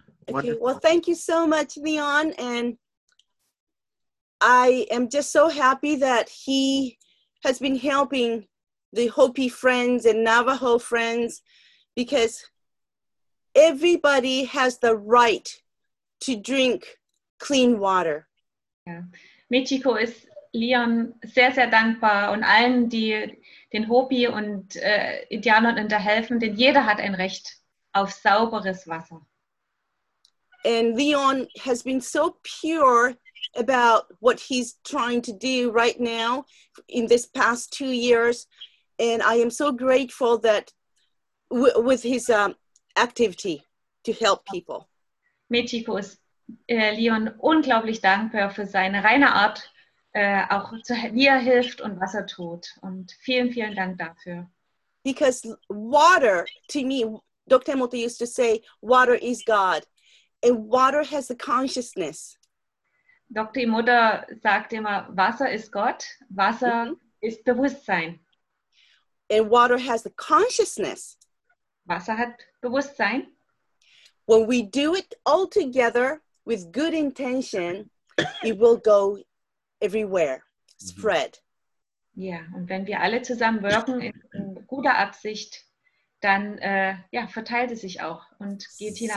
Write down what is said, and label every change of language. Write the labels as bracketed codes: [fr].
[en] Okay, well, thank you so much, Leon, and I am just so happy that he has been helping the Hopi friends and Navajo friends, because everybody has the right to drink clean water. [de] Yeah. Michiko ist Leon sehr, sehr dankbar, und allen, die den Hopi und Indianern unterhelfen, denn jeder hat ein Recht auf sauberes Wasser. [en] And Leon has been so pure about what he's trying to do right now in this past 2 years, and I am so grateful that with his activity to help people. [de] Mechiko ist Leon unglaublich dankbar für seine reine Art, auch zu, wie hilft und was tut. Und vielen, vielen Dank dafür. [en] Because water, to me, Dr. Emoto used to say, water is God. And water has a consciousness. [de] Dr. Emoto sagt immer, Wasser ist Gott. Wasser ist Bewusstsein. [en] And water has a consciousness. [de] Wasser hat Bewusstsein. [en] When we do it all together with good intention, it will go everywhere, spread. [de] Ja, und wenn wir alle zusammen wirken in guter Absicht, dann ja, verteilt es sich auch und geht hinaus.